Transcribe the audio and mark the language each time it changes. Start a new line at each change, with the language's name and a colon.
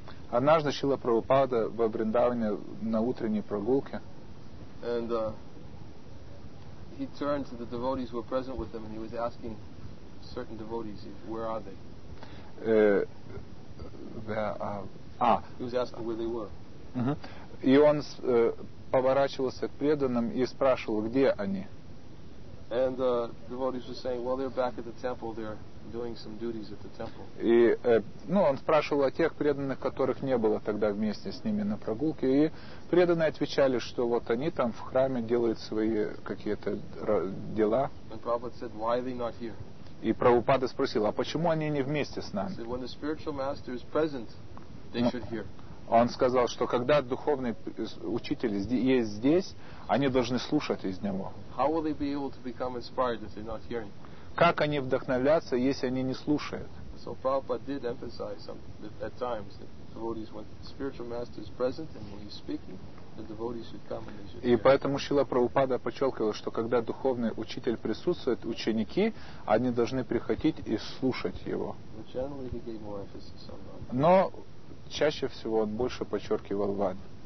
Russian: Однажды Шрила Прабхупада во Вриндаване на утренней прогулке.
English: And he turned to the devotees who were present with him and he was asking certain devotees, where are they? He was asking where they were.
Russian: И он поворачивался к преданным и спрашивал, где они.
English: And the devotees were saying, well, they're back at the temple, they're doing some duties at the temple.
Russian: И, ну, он спрашивал о тех преданных, которых не было тогда вместе с ними на прогулке, и преданные отвечали, что вот они там в храме делают свои какие-то дела.
English: And Prabhupada said, why are they not here?
Russian: И Прабхупада спросил, а почему они не вместе с нами?
English: When the spiritual master is present, they should hear.
Russian: Он сказал, что когда духовный учитель есть здесь, они должны слушать из него.
English: How will they be able to become inspired if they're not hearing?
Russian: Как они вдохновляться, если они не слушают?
English: So Prabhupada did emphasize at times that devotees, when the spiritual master is present and when he's speaking, the devotees should come and they should hear.
Russian: И поэтому Шрила Прабхупада подчеркивал, что когда духовный учитель присутствует, ученики, они должны приходить и слушать его.
English: But generally he gave more emphasis on that.
Russian: Но чаще всего он больше подчеркивал Вани.